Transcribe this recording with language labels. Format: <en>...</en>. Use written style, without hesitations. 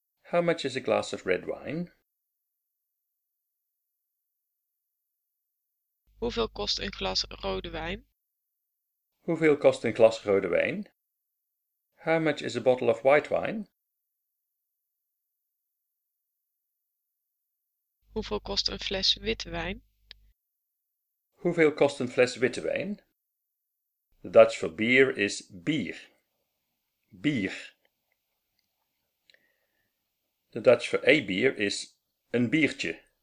<en>How much is a glass of red wine?</en> <nl>Hoeveel kost een glas rode wijn? Hoeveel kost een glas rode wijn?</nl> <en>How much is a bottle of white wine?</en> <nl>Hoeveel kost een fles witte wijn? Hoeveel kost een fles witte wijn?</nl> <en>The Dutch for beer is</en> <nl>bier. Bier.</nl> <en>The Dutch for a beer is een biertje.</en>